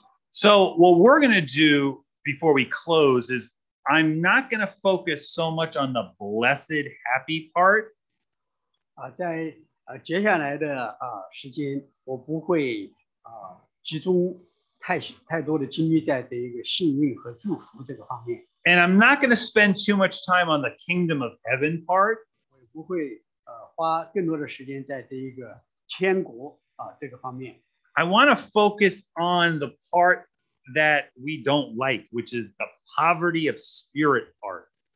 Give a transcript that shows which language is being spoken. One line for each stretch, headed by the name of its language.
English: So what we're going to do before we close is I'm not going to focus so much on the blessed, happy part.
Chinese: 在接下来的时间，我不会集中太多的精力在这一个幸运和祝福这个方面。And
English: I'm not going to spend too much time on the kingdom of heaven part.
Chinese: 我也不会花更多的时间在这一个天国这个方面。
English: I want to focus on the part that we don't like, which is the poverty of spirit part.